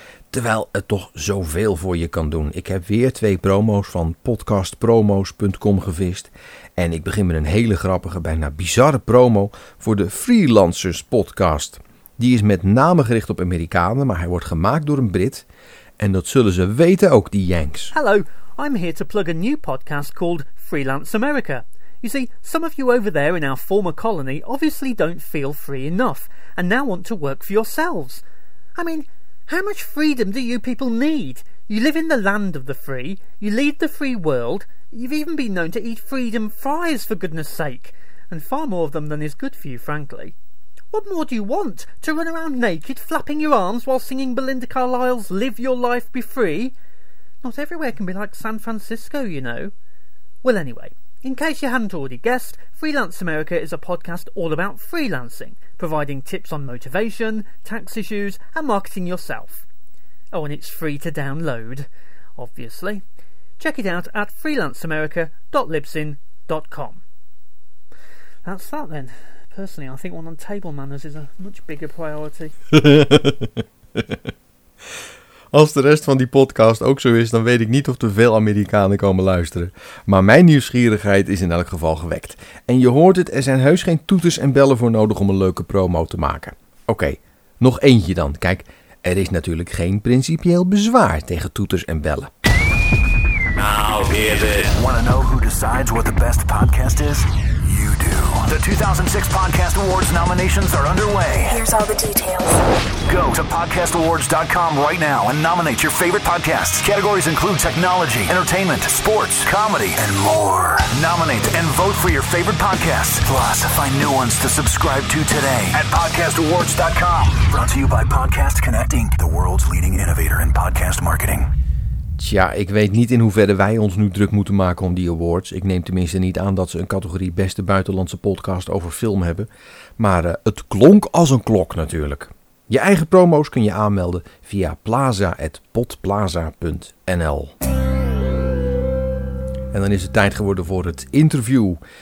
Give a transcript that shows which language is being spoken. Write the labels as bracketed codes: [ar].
[nl] Terwijl het toch zoveel voor je kan doen. Ik heb weer twee promo's van podcastpromos.com gevist. En ik begin met een hele grappige, bijna bizarre promo voor de Freelancers podcast. Die is met name gericht op Amerikanen, maar hij wordt gemaakt door een Brit. En dat zullen ze weten ook, die Yanks. [en] Hallo, I'm here to plug a new podcast called Freelance America. You see, some of you over there in our former colony obviously don't feel free enough and now want to work for yourselves. I mean, how much freedom do you people need? You live in the land of the free, you lead the free world, you've even been known to eat freedom fries for goodness sake, and far more of them than is good for you, frankly. What more do you want? To run around naked, flapping your arms while singing Belinda Carlisle's Live Your Life Be Free? Not everywhere can be like San Francisco, you know. Well, anyway, in case you hadn't already guessed, Freelance America is a podcast all about freelancing, providing tips on motivation, tax issues, and marketing yourself. Oh, and it's free to download, obviously. Check it out at freelanceamerica.libsyn.com. That's that, then. Personally, I think one on table manners is a much bigger priority. [nl] Als de rest van die podcast ook zo is, dan weet ik niet of er veel Amerikanen komen luisteren. Maar mijn nieuwsgierigheid is in elk geval gewekt. En je hoort het, er zijn heus geen toeters en bellen voor nodig om een leuke promo te maken. Oké, nog eentje dan. Kijk, er is natuurlijk geen principieel bezwaar tegen toeters en bellen. [en] Now hear this. Wanna know who decides what the best podcast is? You do. The 2006 Podcast Awards nominations are underway. Here's all the details. Go to podcastawards.com right now and nominate your favorite podcasts. Categories include technology, entertainment, sports, comedy, and more. Nominate and vote for your favorite podcasts. Plus, find new ones to subscribe to today at podcastawards.com. Brought to you by Podcast Connecting, the world's leading innovator in podcast marketing. [nl] Tja, ik weet niet in hoeverre wij ons nu druk moeten maken om die awards. Ik neem tenminste niet aan dat ze een categorie beste buitenlandse podcast over film hebben. Maar het klonk als een klok natuurlijk. Je eigen promo's kun je aanmelden via plaza@potplaza.nl. En dan is het tijd geworden voor het interview.